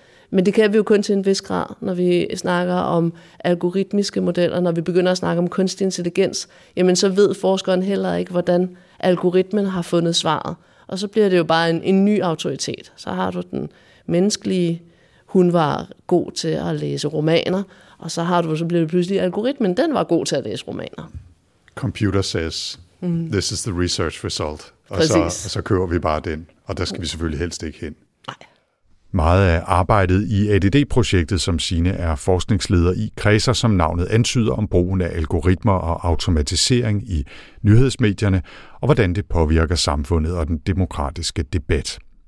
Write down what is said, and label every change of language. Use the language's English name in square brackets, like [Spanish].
[Danish] Men det kan vi jo kun til en vis grad, når vi snakker om algoritmiske modeller, når vi begynder at snakke om kunstig intelligens, jamen så ved forskeren heller ikke, hvordan algoritmen har fundet svaret. Og så bliver det jo bare en ny autoritet. Så har du den menneskelige, hun var god til at læse romaner, og så bliver det pludselig algoritmen, den var god til at læse romaner. [English] computer says, this is the research result. [Danish] Og så kører vi bare den, og der skal vi selvfølgelig helst ikke hen. Meget af arbejdet i ADD-projektet, som Signe er forskningsleder i, kredser, som navnet antyder, om brugen af algoritmer og automatisering i nyhedsmedierne, og hvordan det påvirker samfundet og den demokratiske debat.